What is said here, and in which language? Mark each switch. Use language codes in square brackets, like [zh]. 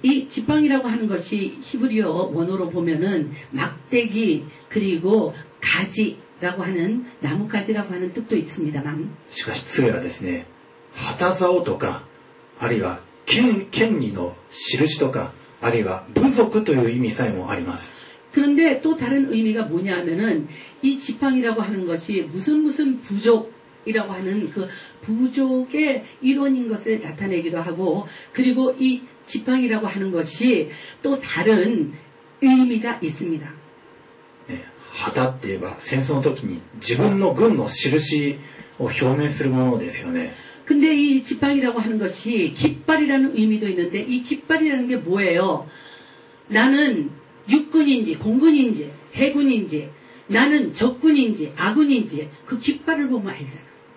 [ko] 이지팡이라고하는것이히브리어원어로보면은막대기그리고가지라고하는나무가지라고하는뜻도있습니다만 [ja] しかし杖はですね旗竿とかあるいは権利の印とかあるいは部族という意味さえもあります [ko] 그런데 또 다른 의미가 뭐냐 하면은 이 지팡이라고 하는 것이 무슨 무슨 부족이라고 하는 그 부족의 일원인 것을 나타내기도 하고 그리고 이 지팡이라고 하는 것이 또 다른 의미가 있습니다. [ja] 旗って言えば戦争の時に自分の軍の印を表明するものですよね。 [ko] 근데이지팡이라고하는것이깃발이라는의미도있는데이깃발이라는게뭐예요나는육군인지공군인지해군인지나는적군인지아군인지그깃발을보면알잖아